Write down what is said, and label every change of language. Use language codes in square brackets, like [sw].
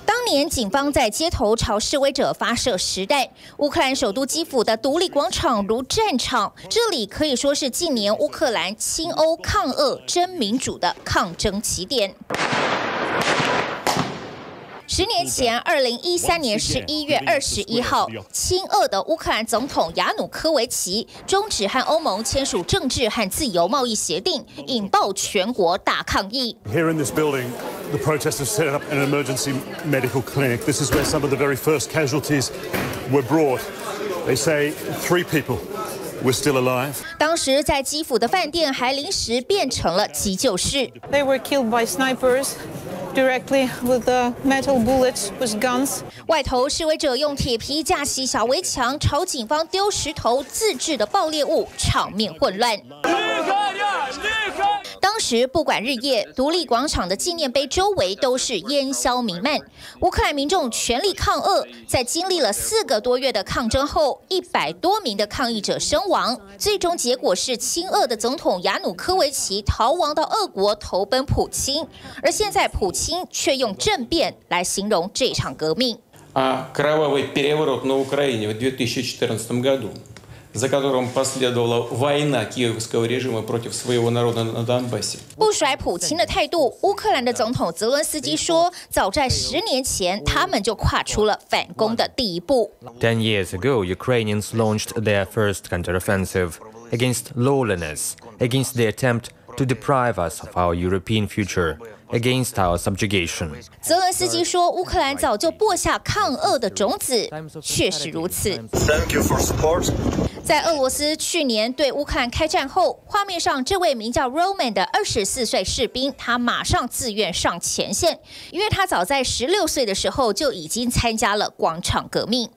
[zh] 年，警方在街头朝示威者发射实弹。乌克兰首都基辅的独立广场如战场，这里可以说是近年乌克兰亲欧抗俄真民主的抗争起点。十年前，2013年11月21号，亲俄的乌克兰总统亚努科维奇终止和欧盟签署政治和自由贸易协定，引爆全国大抗议。 [en] Here in this building, the protesters set up an emergency medical clinic. This is where some of the very first casualties were brought. They say three people. We're still alive. [zh] 当时在基辅的饭店还临时变成了急救室。 [en] They were killed by snipers directly with the metal bullets with guns. [zh] 外头示威者用铁皮架起小围墙，朝警方丢石头、自制的爆裂物，场面混乱。当时不管日夜，独立广场的纪念碑周围都是烟消弥漫。乌克兰民众全力抗俄，在经历了四个多月的抗争后，100多名的抗议者身亡。最终结果是亲俄的总统亚努科维奇逃亡到俄国，投奔普京。而现在，普京却用政变来形容这场革命。 [ru] Кровавый переворот на Украине в 2014 году. за которым последовала война киевского режима против своего народа на Донбассе. [zh] 不甩普京的态度，乌克兰的总统泽伦斯基说，早在十年前，他们就跨出了反攻的第一步。 [en] 10 years ago, Ukrainians launched their first counteroffensive against lawlessness, against the attempt to deprive us of our European future. Against our subjugation. [zh] 泽伦斯基说，乌克兰早就播下抗俄的种子，确实如此。 [en] Thank you for support. [zh] 在俄罗斯去年对乌克兰开战后，画面上这位名叫 Roman 的24岁士兵，他马上自愿上前线，因为他早在16岁的时候就已经参加了广场革命。